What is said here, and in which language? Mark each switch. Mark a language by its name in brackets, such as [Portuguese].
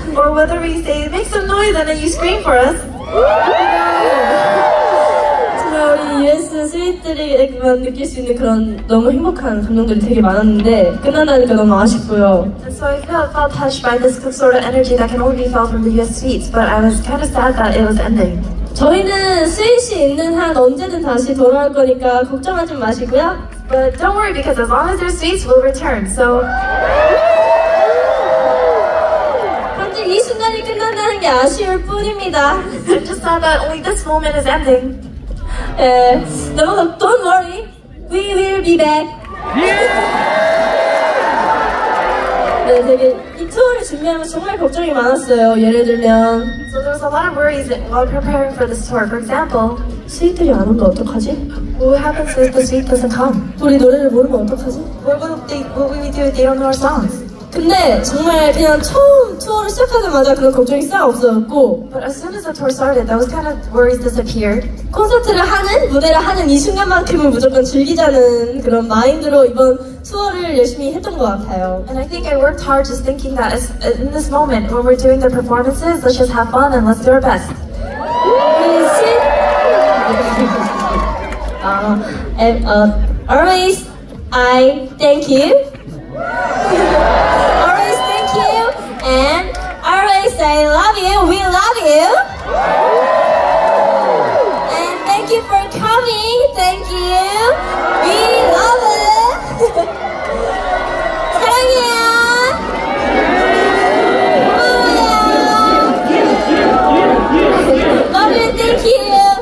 [English] Or whether we say make some noise and then you scream for us. [Korean] 정말 우리 US 스윗들이만 느낄 수 있는 그런 너무 행복한 감정들이 되게 많았는데 끝나다니까 너무 아쉽고요. [English] And so I felt touched by this sort of energy that can only be felt from the US Suites, but I was kind of sad that it was ending. [Korean] 저희는 스윗이 있는 한 언제든 다시 돌아올 거니까 걱정하지 마시고요. [English] But don't worry, because as long as there's Suites, we'll return, so... [Korean] 이 순간이 끝난다는 게 아쉬울 뿐입니다. [English] I'm just sad that only this moment is ending. No, don't worry. We will be back. Yeah! [Korean] 네, 되게 이 투어를 준비하면 정말 걱정이 많았어요. 예를 들면 [English] So there's a lot of worries while preparing for this tour. For example, [Korean] 스윗들이 안 온다 어떡하지? [English] What happens if the suite doesn't come? [Korean] 우리 노래를 모르면 어떡하지? [English] What will we do if they don't know our songs? [Korean] 근데 정말 그냥 처음 투어를 시작하자마자 그런 걱정이 싹 없어졌고 [English] But as soon as the tour started, those kind of worries disappeared. [Korean] 콘서트를 하는, 무대를 하는 이 순간만큼은 무조건 즐기자는 그런 마인드로 이번 투어를 열심히 했던 것 같아요. [English] And I think I worked hard just thinking that in this moment, when we're doing the performances, let's just have fun and let's do our best. 아, always, I thank you. Always thank you, and always I love you, we love you, and thank you for coming, thank you, we love it, [Korean] 사랑해요, 고마워요, [English] love you, thank you.